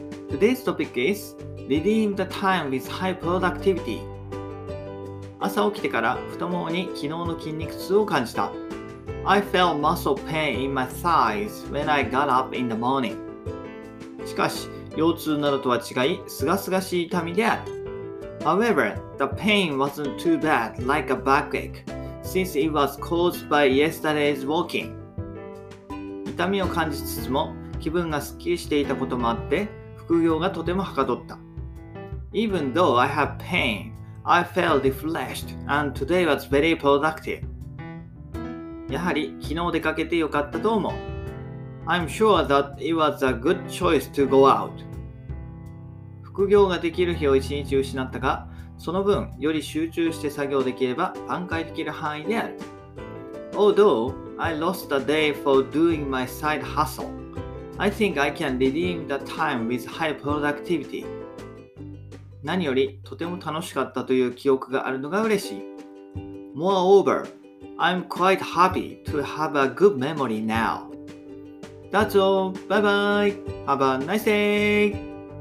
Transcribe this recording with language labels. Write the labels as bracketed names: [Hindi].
[English] Today's topic is Redeem the time with high productivity. [Japanese] 朝起きてから太ももに昨日の筋肉痛を感じた。 [English] I felt muscle pain in my thighs when I got up in the morning. [Japanese] しかし、腰痛などとは違い、すがすがしい痛みである。 [English] However, the pain wasn't too bad like a backache since it was caused by yesterday's walking. [Japanese] 痛みを感じつつも気分がすっきりしていたこともあって副業がとてもはかどった。 [English] Even though I have pain, I felt refreshed and today was very productive. [Japanese] やはり昨日出かけてよかったと思う。 [English] I'm sure that it was a good choice to go out. [Japanese] 副業ができる日を一日失ったが、その分より集中して作業できれば挽回できる範囲である。 [English] AlthoughI lost a day for doing my side hustle. I think I can redeem the time with high productivity. [Japanese] 何よりとても楽しかったという記憶があるのが嬉しい。 [English] Moreover, I'm quite happy to have a good memory now. That's all. Bye bye. Have a nice day.